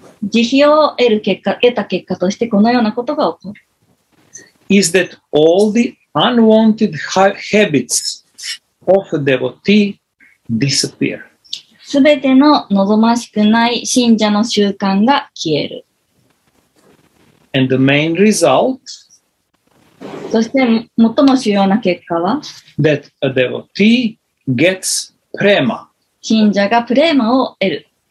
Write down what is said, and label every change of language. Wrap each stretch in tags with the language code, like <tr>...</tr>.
<ja>慈悲を得た結果としてこのようなことが起こる。</ja> <en>Is that all the unwanted habits of a devotee disappear.</en> <ja>全ての望ましくない信者の習慣が消える。</ja> <en>And the main result.</en> <ja>そして最も主要な結果は</ja> <en>That a devotee gets prema.</en> <ja>信者がプレマを得る。</ja>